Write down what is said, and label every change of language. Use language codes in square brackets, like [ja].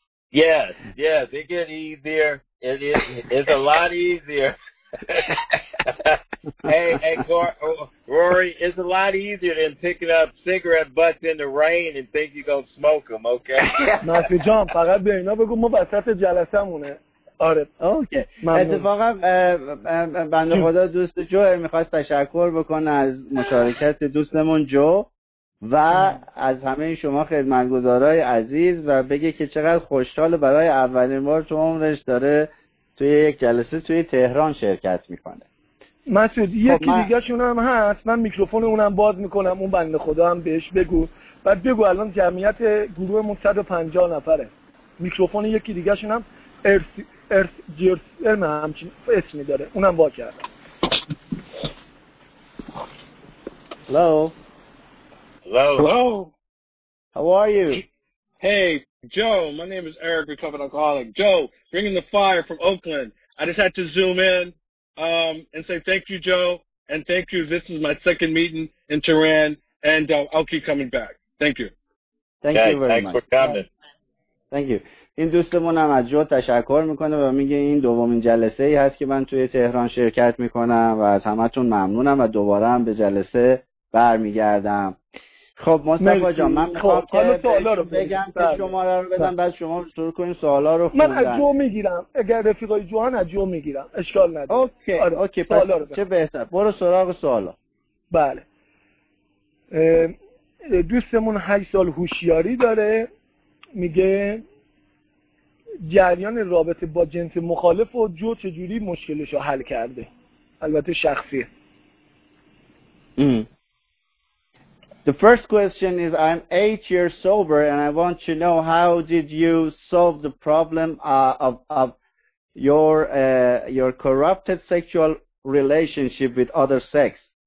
[en] Yes, yes, it gets easier. It's a lot easier. Rory, it's a lot easier than picking up cigarette butts in the rain and think you're going to smoke them, okay? [fa] Master John, فقط به اینا بگو ما وسط جلسه‌مونه. آره. اتفاقا بنده خدا دوست جو میخواست تشکر بکنه از مشارکت دوستمون جو و از همه شما خدمتگزارای عزیز و بگه که چقدر خوشحال برای اولین بار تو عمرش داره توی یک جلسه توی تهران شرکت میکنه. مسعود یکی دیگه شون هم هست، من میکروفون اونم باز میکنم، اون بنده خدا هم بهش بگو. بعد بگو الان جمعیت گروهمون 150 نفره. میکروفون یکی دیگه شون هم ارث جرس ارم همچین اسمی داره، اونم با کرده. [en] Hello. How are you? Hey, Joe, my name is Eric, recovered alcoholic. Joe, bringing the fire from Oakland. I just had to zoom in and say thank you, Joe, and thank you. This is my second meeting in Tehran, and I'll keep coming back. Thank you. Thank you very much. Thanks for coming. Thank you. [fa] این دوستمون هم از جو تشکر میکنه و میگه این دومین جلسه ای هست که من توی تهران شرکت میکنم و از همتون ممنونم و دوباره هم به جلسه برمیگردم. خب مصطفی جان من میخوام حالا سوالا رو بگم که شماره رو بدم بعد شما شروع کنین سوالا رو خوندن. من از جو میگیرم، اگر رفیقای جوان از جو میگیرم اشکال نداره. اوکی آره. اوکی سوالا رو چه بهتر برو سراغ سوالا. بله دوستمون 8 سال هوشیاری داره، میگه جریان رابطه با جنس مخالف و جو چجوری مشکلش رو حل کرده. البته شخصیه. [en] The first question is I'm 8 years sober and I want to know how did you solve the problem of your corrupted sexual relationship with other sex.